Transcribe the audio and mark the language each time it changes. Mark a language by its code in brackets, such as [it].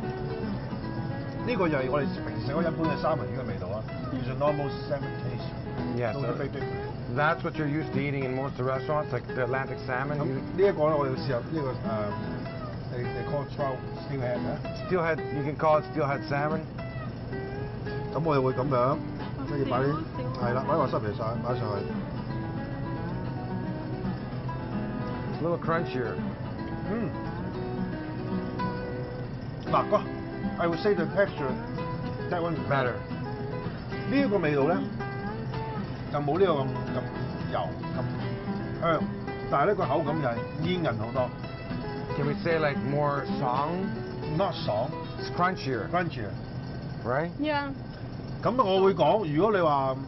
[yue] 呢個又係我哋平時嗰一般嘅三文魚嘅味道啊。 [en] It's a normal salmon taste. Yes, that's what you're used to eating in most of the restaurants, like the Atlantic salmon. [yue] 咁呢一個咧，我要試下呢個 They call it trout steelhead, huh? [en] Steelhead, you can call it steelhead salmon. [yue] 咁我哋會咁樣，跟住擺啲係啦，擺個濕皮曬擺上去。 [en] A little crunchier. 嗱個，I would say the texture that one better. [yue] 呢個味道咧就冇呢個咁油咁香，但係咧個口感又係煙韌好多。 [en] Can we say like more song? Not song. It's crunchier. Crunchier. Right? Yeah. [yue] 咁我會講，如果你話